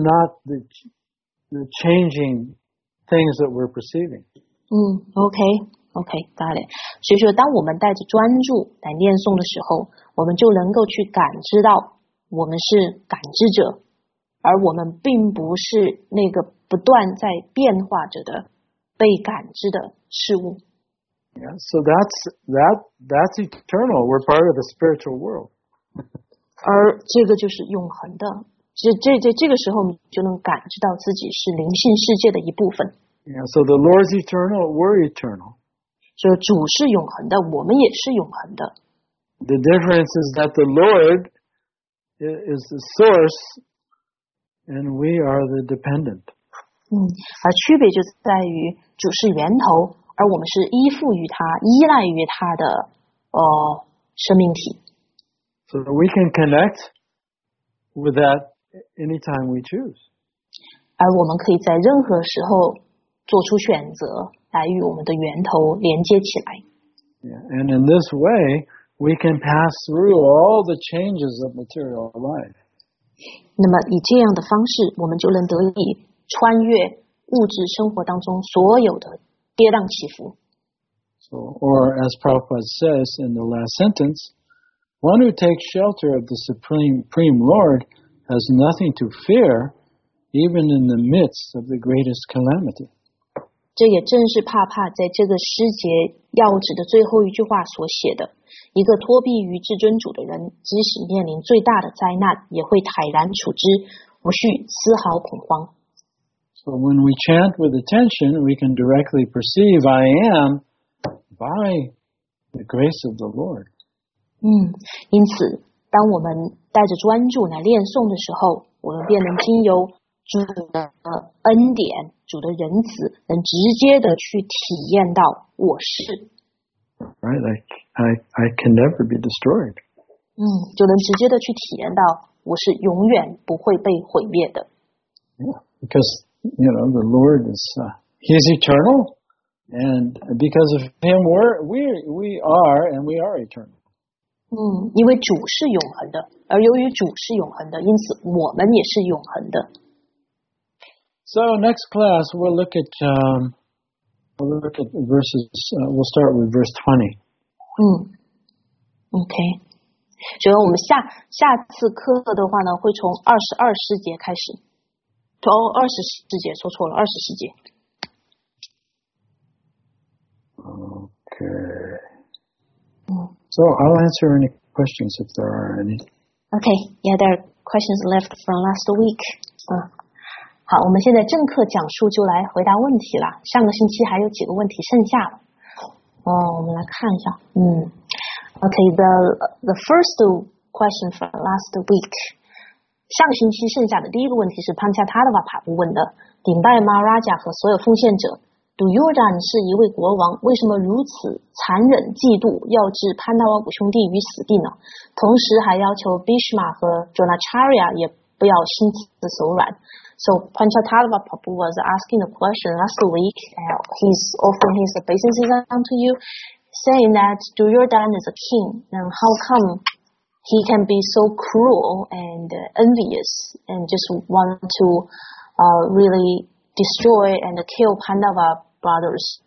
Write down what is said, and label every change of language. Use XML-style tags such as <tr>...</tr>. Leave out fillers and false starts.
<en>We're not the changing things that we're perceiving. Okay, got it.</en> <zh>所以说当我们带着专注来念诵的时候，我们就能够去感知到我们是感知者，而我们并不是那个不断在变化着的被感知的事物。</zh> <en>Yeah, so that's eternal. We're part of the spiritual world.</en> <zh>而这个就是永恒的。这个时候你就能感知到自己是灵性世界的一部分。</zh> <en>Yeah, so the Lord's eternal, we're eternal.</en> <zh>So 主是永恒的，我们也是永恒的。</zh> <en>The difference is that the Lord is the source, and we are the dependent.</en> <zh>而区别就在于主是源头，而我们是依附于他、依赖于他的生命体。</zh> <en>So we can connect with that anytime we choose.</en> <zh>而我们可以在任何时候。做出选择来与我们的源头连接起来。</zh> <en>Yeah, and in this way, we can pass through all the changes of material life.</en> <zh>那么以这样的方式，我们就能得以穿越物质生活当中所有的跌宕起伏。</zh> <en>So, or as Prabhupada says in the last sentence, one who takes shelter of the Supreme Lord has nothing to fear, even in the midst of the greatest calamity.</en> <zh>这也正是帕帕在这个诗节要旨的最后一句话所写的，一个脱避于至尊主的人，即使面临最大的灾难，也会坦然处之，无需丝毫恐慌。</zh> <en>So when we chant with attention, we can directly perceive I am by the grace of the Lord.</en> <zh>因此，当我们带着专注来念诵的时候，我们便能经由主的恩典。主的仁慈能直接的去体验到我是</zh> <en>，right? I can never be destroyed.</en> <zh>就能直接的去体验到我是永远不会被毁灭的。</zh> <en>Yeah, because you know the Lord is He's eternal, and because of Him we are and we are eternal.</en> <zh>因为主是永恒的，而由于主是永恒的，因此我们也是永恒的。</zh> <en>So next class, we'll look at verses, we'll start with verse 20. Okay.</en> <zh>所以我们下次课的话呢，会从22世节开始。 20世节。</zh> <en>Okay. So I'll answer any questions if there are any. Okay, yeah, there are questions left from last week.</en> <zh>好，我们现在正课讲述就来回答问题了。上个星期还有几个问题剩下了。哦，我们来看一下。</zh> <en>Okay, the first question from last week.</en> <zh>上个星期剩下的第一个问题是 Panchatattva Prabhu 问的，顶拜 Maharaja 和所有奉献者。 Duryodhan 是一位国王，为什么如此残忍嫉妒，要置潘达瓦古兄弟于死地呢？同时还要求 Bhishma 和 Dronacharya 也不要心慈手软。</zh> <en>So Panchatattva Prabhu was asking a question last week. He's offering his obeisances unto you, saying that Duryodhan is a king, and how come he can be so cruel and envious and just want to really destroy and kill Pandava brothers?</en>